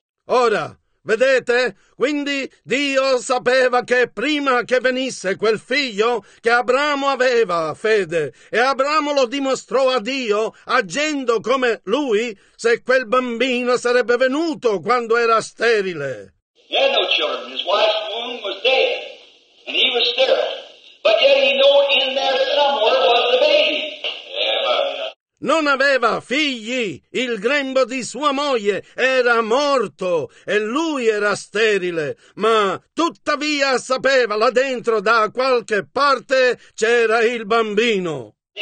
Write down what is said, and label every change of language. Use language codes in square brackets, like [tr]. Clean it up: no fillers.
[it] Ora, vedete? Quindi Dio sapeva che prima che venisse quel figlio, che Abramo aveva fede, e Abramo lo dimostrò a Dio agendo come lui, se quel bambino sarebbe venuto quando era sterile. [en] He had no children. His wife's womb was dead, and he was sterile. But yet he knew in there somewhere was the baby. Yeah, no [it] non aveva figli, il grembo di sua moglie era morto e lui era sterile, ma tuttavia sapeva là dentro da qualche parte c'era il bambino.